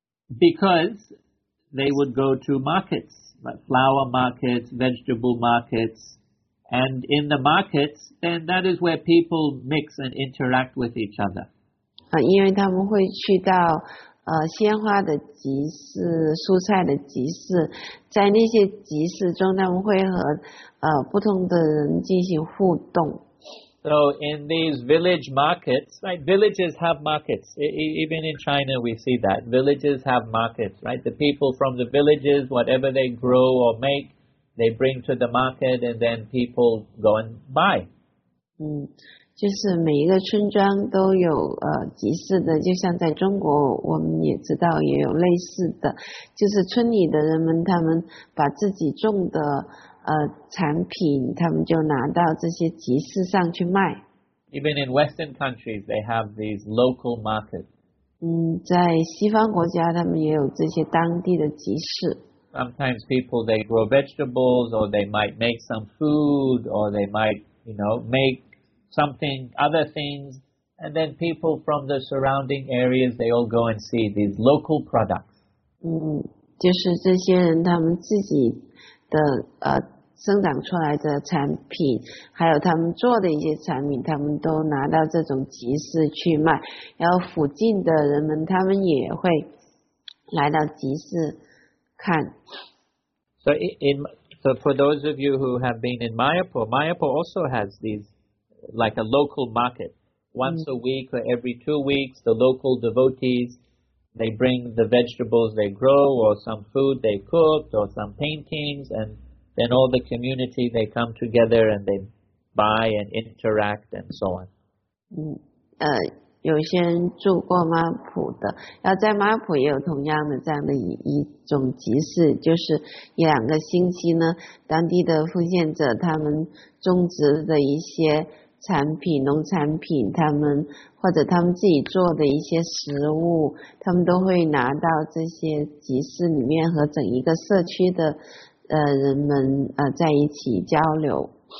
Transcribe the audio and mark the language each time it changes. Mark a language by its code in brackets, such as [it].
[en] Because they would go to markets, like flower markets, vegetable markets, and in the markets, then that is where people mix and interact with each other. [zh] 因为他们会去到鲜花的集市、蔬菜的集市，在那些集市中，他们会和不同的人进行互动。 [en] So in these village markets, like villages have markets. Even in China, we see that. Villages have markets, right? The people from the villages, whatever they grow or make, they bring to the market and then people go and buy. [zh] 就是每一个村庄都有集市的，就像在中国我们也知道也有类似的，就是村里的人们他们把自己种的产品他们就拿到这些集市上去卖。 [en] Even in Western countries, they have these local markets. [zh] 在西方国家他们也有这些当地的集市。 [en] Sometimes people, they grow vegetables, or they might make some food, or they might, you know, make something, other things. And then people from the surrounding areas, they all go and see these local products. [zh] 就是这些人他们自己的生长出来的产品，还有他们做的一些产品，他们都拿到这种集市去卖，然后附近的人们他们也会来到集市看。 [en] So for those of you who have been in Mayapur, Mayapur also has these like a local market. Once a week or every 2 weeks, the local devotees, they bring the vegetables they grow or some food they cooked or some paintings, and then all the community, they come together and they buy and interact and so on. [zh] 有些人住过马普的，然后在马普也有同样的这样的一种集市，就是一两个星期呢，当地的奉献者他们种植的一些产品、农产品，他们或者他们自己做的一些食物，他们都会拿到这些集市里面和整一个社区的人们在一起交流。